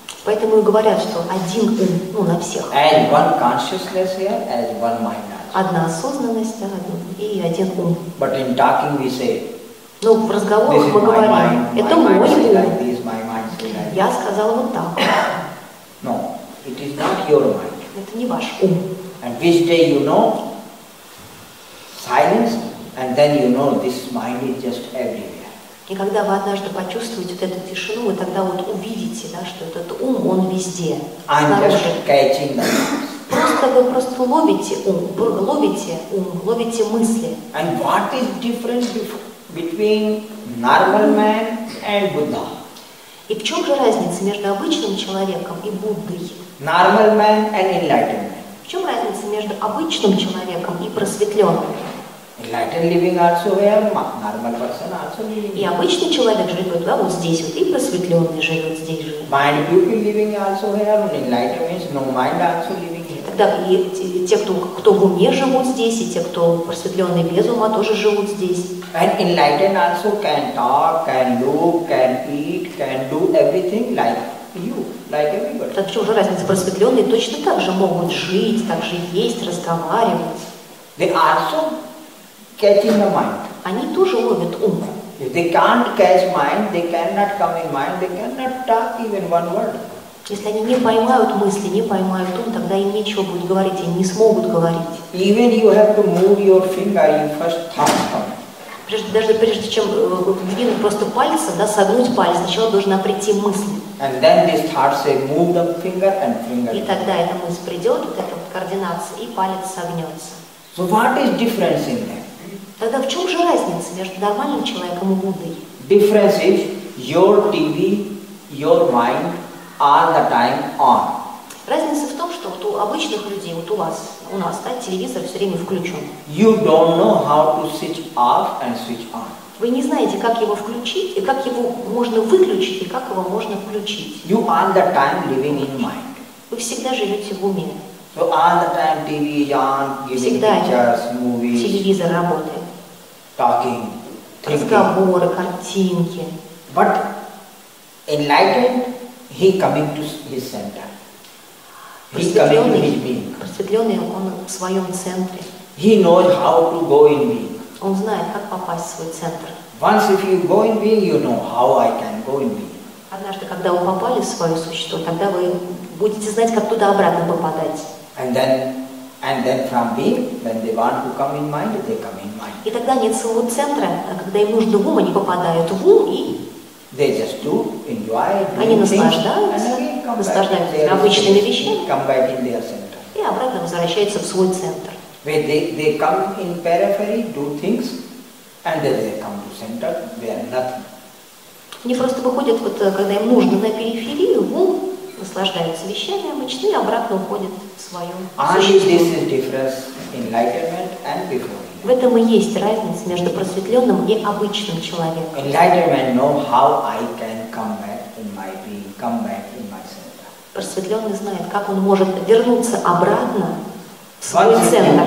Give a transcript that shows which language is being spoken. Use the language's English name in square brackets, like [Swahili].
[Russian] Поэтому и говорят, что один ум, ну, на всех. [English] And one consciousness here as one mind. [Russian] Одна осознанность, да, и один ум. [English] But in talking we say. [Russian] Ну, в разговорах мы говорим, это мой ум. [English] This is my mind. Like this, my mind like this. [Russian] Я сказала вот так. [English] No, it is not your mind. [Russian] Это не ваш ум. [English] And which day you know? Silence, and then you know this mind is just everywhere. [Russian] И когда вы однажды почувствуете вот эту тишину, вы тогда вот увидите, да, что этот ум, он везде. [English] I'm just catching the [Russian] просто вы просто ловите ум, ловите мысли. [English] And what is difference between normal man and Buddha? [Russian] И в чем же разница между обычным человеком и Буддой? [English] Normal man and enlightened man. [Russian] В чем разница между обычным человеком и просветленным? [English] Enlightened living also here, normal person also living. [Russian] И обычный человек живет, да, вот здесь вот, и просветленный живет здесь же. [English] Mind people living also here, enlightened means no mind also living here. [Russian] Тогда и те, кто в уме живут здесь, и те, кто просветленный без ума, тоже живут здесь. [English] And enlightened also can talk, can look, can eat, can do everything like you, like everybody. [Russian] Так в чем же разница? Просветленные точно так же могут жить, так же есть, разговаривать. [English] They also catching the mind. [Russian] Они тоже ловят ум. [English] If they can't catch mind, they cannot come in mind, they cannot talk even one word. [Russian] Если они не поймают мысли, не поймают ум, тогда им нечего будет говорить, они не смогут говорить. [English] Even you have to move your finger, you first thought come. [Russian] Прежде чем двинуть просто пальцы, да, согнуть палец, сначала должна прийти мысль. [English] And then this thought say, move the finger and finger. [Russian] И тогда эта мысль придет, вот эта вот координация, и палец согнется. [English] So what is difference in them? [Russian] Тогда в чем же разница между нормальным человеком и Буддой? [English] Difference is your TV, your mind all the time on. [Russian] Разница в том, что вот у обычных людей, вот у вас, у нас, да, телевизор все время включен. [English] You don't know how to switch off and switch on. [Russian] Вы не знаете, как его включить, и как его можно выключить, и как его можно включить. [English] You all the time living in mind. [Russian] Вы всегда живете в уме. [English] So all the time TV is on, giving pictures, movies. [Russian] Телевизор работает. [English] Talking, thinking. [Russian] Разговоры, картинки. [English] But enlightened, he coming to his center. He coming to his being. [Russian] Просветленный, он в своем центре. [English] He knows how to go in being. [Russian] Он знает, как попасть в свой центр. [English] Once if you go in being, you know how I can go in being. [Russian] Однажды, когда вы попали в свое существо, тогда вы будете знать, как туда обратно попадать. [English] And then from being, when they want to come in mind, they come in mind. [Russian] И тогда нет своего центра, а когда им нужно в ум, они попадают в ум и... [English] They just do, enjoy, do [Russian] они наслаждаются, наслаждаются обычными вещами. [English] Come back in their center. [Russian] И обратно возвращаются в свой центр. [English] Where they come in periphery, do things, and then they come to center, where nothing. [Russian] Они просто выходят, вот, когда им нужно на периферию, в ум, наслаждаются вещами обычными, и обратно уходят в своем существе. В этом и есть разница между просветленным и обычным человеком. [English] Enlightenment know how I can come back in my being, come back in my center. [Russian] Просветленный знает, как он может вернуться обратно в свой центр.